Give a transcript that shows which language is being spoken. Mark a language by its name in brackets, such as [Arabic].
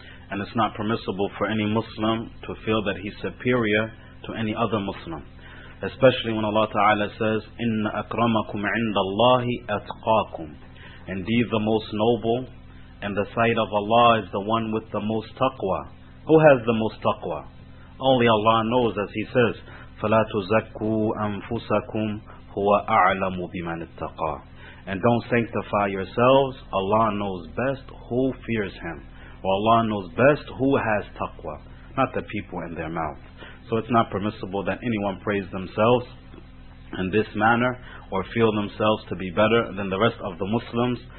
[English] And it's not permissible for any Muslim to feel that he's superior to any other Muslim. Especially when Allah Ta'ala says, [Arabic] إِنَّ أَكْرَمَكُمْ عِنْدَ اللَّهِ أَتْقَاكُمْ. [English] Indeed, the most noble in the sight of Allah is the one with the most taqwa. Who has the most taqwa? Only Allah knows, as He says, [Arabic] فَلَا تُزَكُّوا أَنفُسَكُمْ هُوَ أَعْلَمُ بِمَنِ اتَّقَى. [English] And don't sanctify yourselves. Allah knows best who fears Him. Or Allah knows best who has taqwa. Not the people in their mouth. So it's not permissible that anyone praise themselves in this manner or feel themselves to be better than the rest of the Muslims.